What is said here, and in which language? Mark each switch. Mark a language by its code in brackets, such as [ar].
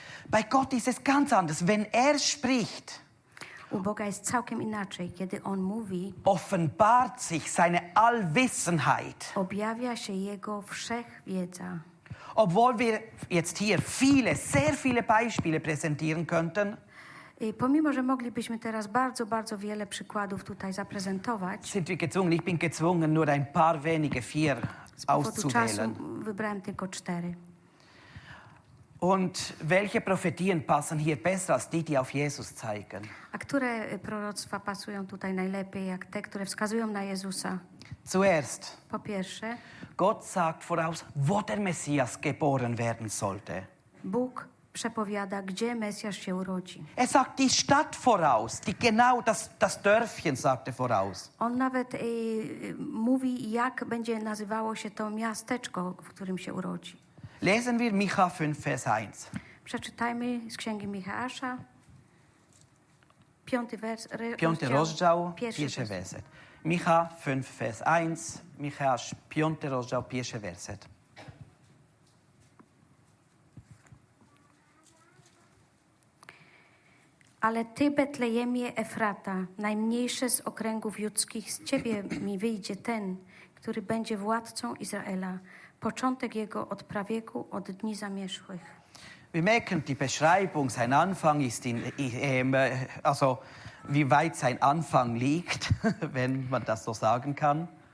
[de] Bei Gott ist es ganz anders, wenn spricht. [pl] U Boga jest całkiem inaczej, kiedy on mówi. [de] Offenbart sich seine Allwissenheit. [pl] Objawia się jego wszechwiedza. [de] Obwohl wir jetzt hier viele, sehr viele Beispiele präsentieren könnten. [pl] I pomimo, że moglibyśmy teraz bardzo, bardzo wiele przykładów tutaj zaprezentować. [de] Sind wir gezwungen, ich bin gezwungen, nur ein paar wenige, vier auszuwählen. [pl] Wybrałem tylko cztery. [de] Und welche Prophetien passen hier besser als die, die auf Jesus zeigen? [pl] A które proroctwa pasują tutaj najlepiej, jak te, które wskazują na Jezusa? [de] Zuerst. [pl] Po pierwsze. [de] Gott sagt voraus, wo der Messias geboren werden sollte. [pl] Bóg przepowiada, gdzie Mesjasz się urodzi. [de] Er sagt die Stadt voraus, die genau das Dörfchen sagte voraus. [pl] On nawet mówi, jak będzie nazywało się to miasteczko, w którym się urodzi. [de] Lesen wir Micha 5, Vers 1. [pl] Przeczytajmy z Księgi Michała, piąty rozdział, pierwszy werset. [de] Micha 5, Vers 1, [pl] Michał, piąty rozdział, pierwszy werset. Ale ty, Betlejemie Efrata, najmniejsze z okręgów judzkich, z ciebie mi wyjdzie ten, który będzie władcą Izraela. Początek jego od prawieku, od dni zamierzchłych. [de] Wir merken die Beschreibung, sein Anfang ist in, also wie weit sein Anfang liegt, wenn man das so sagen kann.